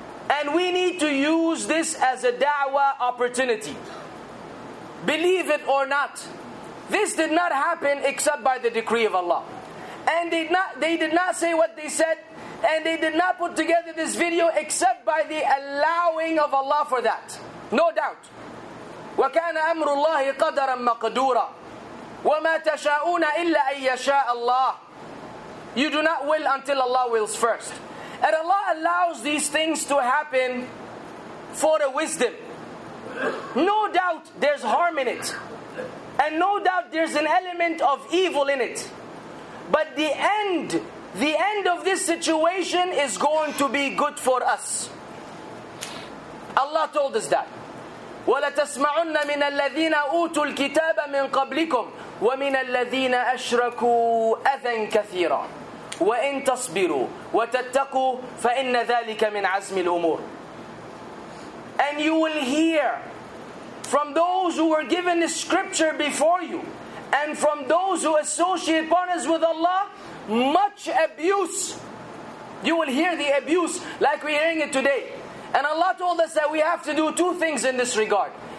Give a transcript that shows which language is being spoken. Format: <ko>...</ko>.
<en>And we need to use this as a da'wah opportunity. Believe it or not, this did not happen except by the decree of Allah. And they did not say what they said, and they did not put together this video except by the allowing of Allah for that. No doubt.</en> <ar>وَكَانَ أَمْرُ اللَّهِ قَدَرًا مَقَدُورًا وَمَا تَشَاءُونَ إِلَّا أَن يَشَاءَ اللَّهِ.</ar> <en>You do not will until Allah wills first. And Allah allows these things to happen for a wisdom. No doubt there's harm in it. And no doubt there's an element of evil in it. But the end of this situation is going to be good for us. Allah told us that.</en> <ar>ولتسمعن من الذين أوتوا الكتاب من قبلكم ومن الذين أشركوا أذى كثيرا وإن تصبروا وتتقوا فإن ذلك من عزم الأمور.</ar> <en>And you will hear from those who were given the scripture before you and from those who associate partners with Allah much abuse. You will hear the abuse like we're hearing it today. And Allah told us that we have to do two things in this regard.</en>